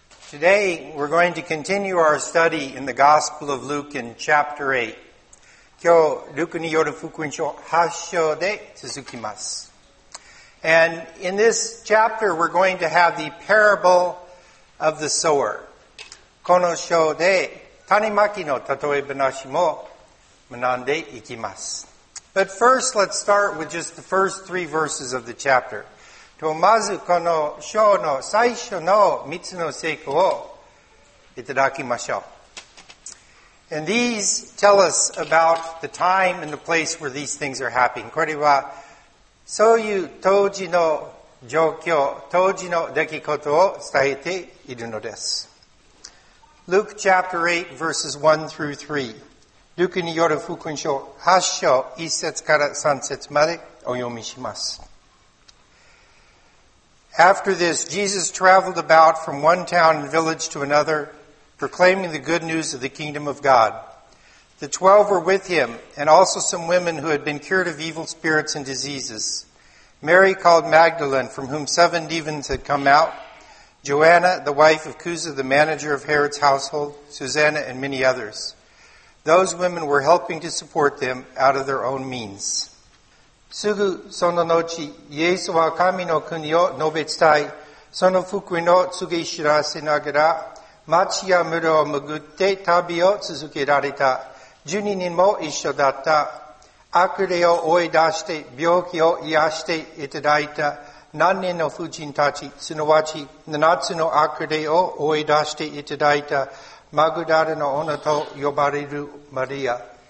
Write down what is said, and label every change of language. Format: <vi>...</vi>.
<en>Today, we're going to continue our study in the Gospel of Luke in chapter 8.</en> <ja>今日、ルクによる福音書8章で続きます。</ja> <en>And in this chapter, we're going to have the parable of the sower.</en> <ja>この章で種まきの例え話も学んでいきます。</ja> <en>But first, let's start with just the first three verses of the chapter.</en> <ja>とまずこの章の最初の三つの聖句をいただきましょう。</ja> <en>And these tell us about the time and the place where these things are happening.</en> <ja>これはそういう当時の状況、当時の出来事を伝えているのです。</ja> <en>Luke chapter 8 verses 1 through 3.</en> <ja>ルクによる福音書8章1節から3節までお読みします。</ja> <en>After this, Jesus traveled about from one town and village to another, proclaiming the good news of the kingdom of God. The 12 were with him, and also some women who had been cured of evil spirits and diseases. Mary called Magdalene, from whom 7 demons had come out, Joanna, the wife of Cusa, the manager of Herod's household, Susanna, and many others. Those women were helping to support them out of their own means.</en> <ja>すぐその後、イエスは神の国を述べ伝え、その福音を告げ知らせながら、町や村を巡って旅を続けられた。十二人も一緒だった。悪霊を追い出して、病気を癒していただいた何人の婦人たち、すなわち七つの悪霊を追い出していただいた、マグダラの女と呼ばれるマリア。</ja>